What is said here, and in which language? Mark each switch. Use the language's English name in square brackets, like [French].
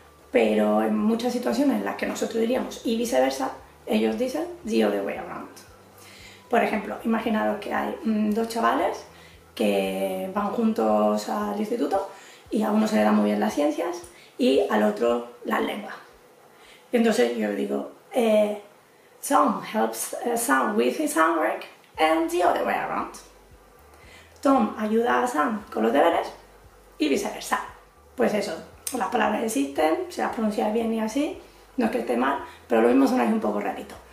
[Spanish] Pero en muchas situaciones en las que nosotros diríamos y viceversa, ellos dicen [English] the other way around. [Spanish] Por ejemplo, imaginaros que hay dos chavales que van juntos al instituto y a uno se le dan muy bien las ciencias y al otro las lenguas. Y entonces yo digo, [English] Tom helps Sam with his homework and the other way around. [Spanish] Tom ayuda a Sam con los deberes y viceversa. Pues eso, las palabras existen, se las pronuncia bien y así, no es que esté mal, pero lo mismo suena un poco rarito.